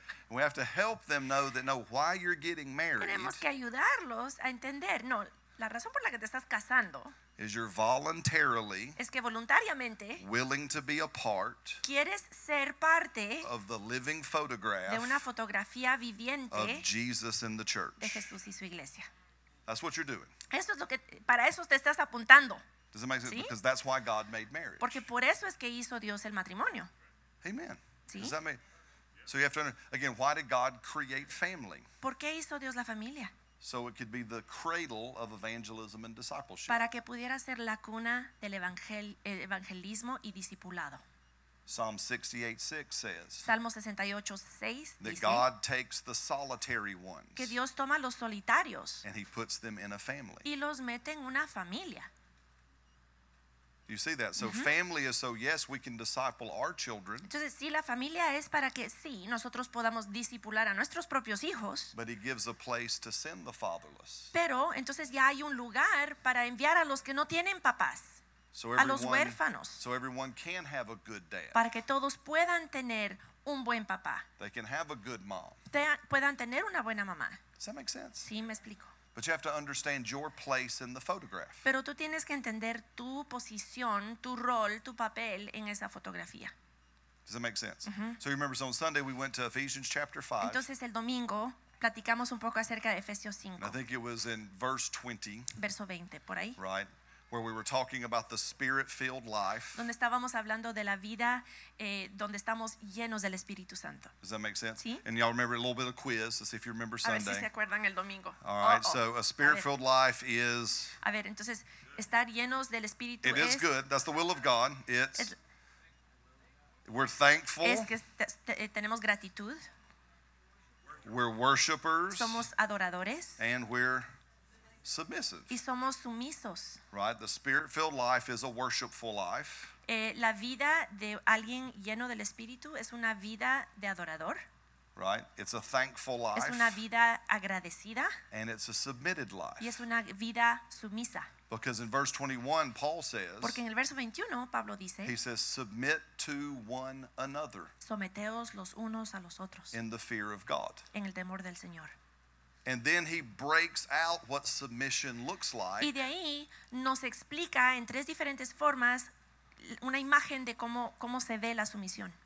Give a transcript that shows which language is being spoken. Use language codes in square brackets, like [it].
[en] We have to help them know that know why you're getting married. [es] Tenemos que ayudarlos a entender, no, la razón por la que te estás casando. [en] Is you're voluntarily. [es] Es que voluntariamente. [en] Willing to be a part. [es] Quieres ser parte. [en] Of the living photograph. [es] De una fotografía viviente. [en] Of Jesus in the church. [es] De Jesús y su iglesia. [en] That's what you're doing. [es] Eso es lo que para eso te estás apuntando. [en] Does it make sense? ¿Sí? Because that's why God made marriage. [es] Porque por eso es que hizo Dios el matrimonio. [en] Amen. [es] ¿Sí? [en] Does that make? So you have to understand, again, why did God create family? [es] ¿Por qué hizo Dios la familia? [en] So it could be the cradle of evangelism and discipleship. [es] Para que pudiera ser la cuna del evangelismo y discipulado. [en] Psalm 68:6 says. [es] Salmo 68:6 dice. [en] That God takes the solitary ones. [es] Que Dios toma los solitarios. [en] And he puts them in a family. [es] Y los mete en una familia. [en] You see that? So mm-hmm. Family is so yes, we can disciple our children. [es] Entonces sí, la familia es para que sí, nosotros podamos discipular a nuestros propios hijos. [en] But he gives a place to send the fatherless. [es] Pero entonces ya hay un lugar para enviar a los que no tienen papás. [en] So everyone, [es] a los huérfanos, [en] so everyone can have a good dad. [es] Para que todos puedan tener un buen papá. [en] They can have a good mom. [es] Puedan tener una buena mamá. [en] Does that make sense? [es] Sí, me explico. [en] But you have to understand your place in the photograph. [es] Pero tú tienes que entender tu posición, tu rol, tu papel en esa fotografía. [en] Does that make sense? Mm-hmm. So you remember, so on Sunday we went to Ephesians chapter 5. [es] Entonces el domingo platicamos un poco acerca de Efesios 5. [en] I think it was in verse 20. [es] Verso 20, por ahí. [en] Right. Where we were talking about the spirit-filled life. [es] Donde estábamos hablando de la vida, donde estamos llenos del Espíritu Santo. [en] Does that make sense? [es] ¿Sí? [en] And y'all remember a little bit of quiz, to see if you remember Sunday. [es] A ver si se acuerdan el domingo. [en] All right, so a spirit-filled life is... [es] A ver, entonces, estar llenos del Espíritu [en] it [es] es... [en] It is good, that's the will of God. We're thankful. [es] Es que tenemos gratitud. [en] We're worshipers. [es] Somos adoradores. [en] And we're... submissive. [es] Y somos sumisos. [en] Right, the spirit-filled life is a worshipful life. [es] La vida de alguien lleno del Espíritu es una vida de adorador. [en] Right, it's a thankful life. [es] Es una vida agradecida. [en] And it's a submitted life. [es] Y es una vida sumisa. [en] Because in verse 21, Paul says. [es] Porque en el verso 21, Pablo dice. [en] He says, submit to one another. [es] Someteos los unos a los otros. [en] In the fear of God. [es] En el temor del Señor. [en] And then he breaks out what submission looks like. [es] Y de ahí nos explica en tres diferentes formas una imagen de cómo se ve la sumisión.